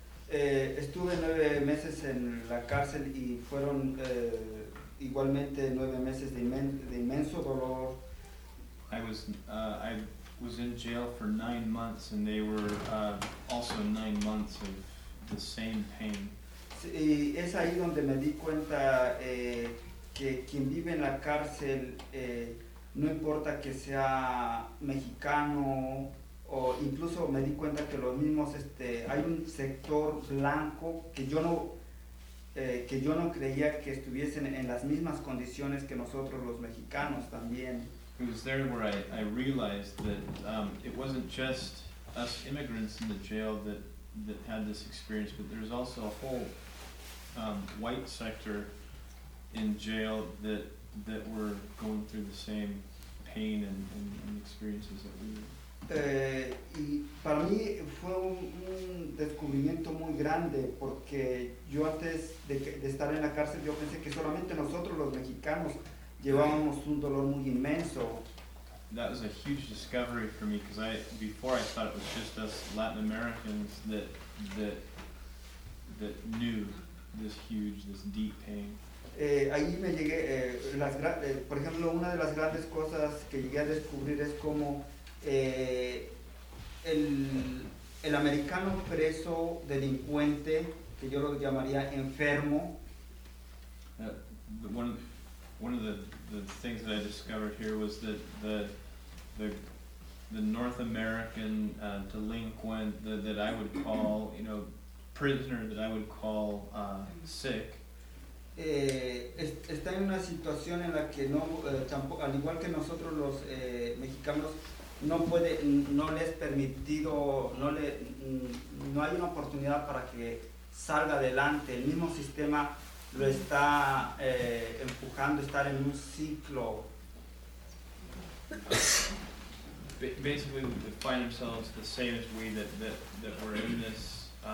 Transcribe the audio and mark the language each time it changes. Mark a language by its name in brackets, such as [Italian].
[Spanish] Estuve 9 meses en la cárcel y fueron igualmente 9 meses de inmenso dolor. [English] I was in jail for 9 months and they were also 9 months of the same pain. [Spanish] Y es ahí donde me di cuenta que quien vive en la cárcel no importa que sea mexicano o incluso me di cuenta que los mismos hay un sector blanco que yo no creía que estuviesen en las mismas condiciones que nosotros los mexicanos también. [English] It was there where I realized that it wasn't just us immigrants in the jail that had this experience, but there's also a whole white sector in jail that were going through the same pain and experiences that we were. [Spanish] Y para mí fue un descubrimiento muy grande porque yo antes de estar en la cárcel yo pensé que solamente nosotros los mexicanos llevábamos un dolor muy inmenso. [English] That was a huge discovery for me because before I thought it was just us Latin Americans that knew this deep pain. [Spanish] Ahí me llegué, por ejemplo, una de las grandes cosas que llegué a descubrir es cómo el americano preso delincuente, que yo lo llamaría enfermo. [English] One of the things that I discovered here was that the North American delinquent that I would call, prisoner that I would call sick. [Spanish] Está en una situación en la que no tampoco, al igual que nosotros los mexicanos, no hay una oportunidad para que salga adelante. El mismo sistema lo está empujando a estar en un ciclo. [English] Basically, we find ourselves the same as we that we're in this.